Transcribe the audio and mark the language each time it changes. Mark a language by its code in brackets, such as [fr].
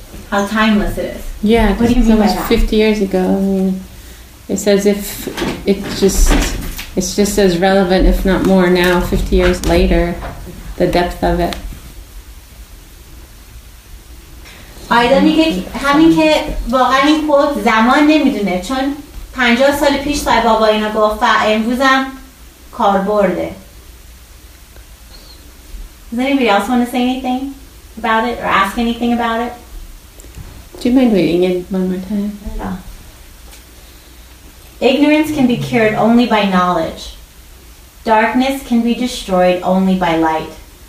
[en] How timeless it is. Yeah, what do you mean by that? 50 years ago, it's as if it's just as relevant, if not more, now, 50 years later, the depth of it. [fa] آیده میگه همین که واقعا این کوت زمان نمیدونه، چون 50 سال پیش سای بابا اینا گفت و امروزم کار برده. [en] Does anybody else want to say anything about it or ask anything about it? Do you mind reading it one more time? No. Ignorance can be cured only by knowledge. Darkness can be destroyed only by light.